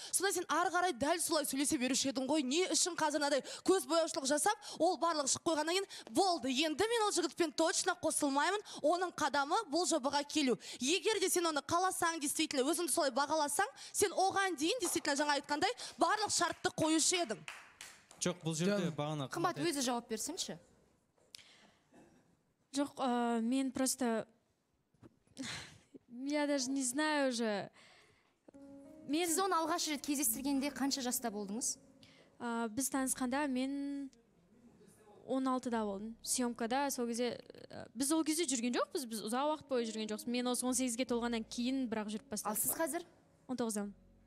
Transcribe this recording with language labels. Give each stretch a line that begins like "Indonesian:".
Kazakh: Сонда сен ары қарай дәл солай сөйлесе беруші едің ғой. Не үшін қазір мынандай көз бояушылық жасап, ол барлығы шығып қойғаннан кейін, болды, енді мен ол жігітпен
Russian: точно
Kazakh: қосылмаймын. Оның қадамы бұл жобаға келу. Егер де сен оны қаласаң,
Russian: действительно
Kazakh: өзіңді солай бағаласаң, сен оған действительно жаңа айтқандай барлық шартты қоюшы едім. Жоқ, бұл жерде бағана қымбат өзі жауап берсінші. Жоқ, мен
Russian: просто я даже не знаю уже.
Kazakh: Мен сіз оны алғаш рет кездестіргенде қанша жаста болдыңыз? Біз танысқанда мен 16-да болдым. Съемкада сол кезде біз ол кезде жүрген жоқпыз, біз ұзақ уақыт бойы жүрген жоқпыз. Мен осы 18-ге толғаннан кейін бірақ жүріп бастадым. Ал сіз қазір 19-да?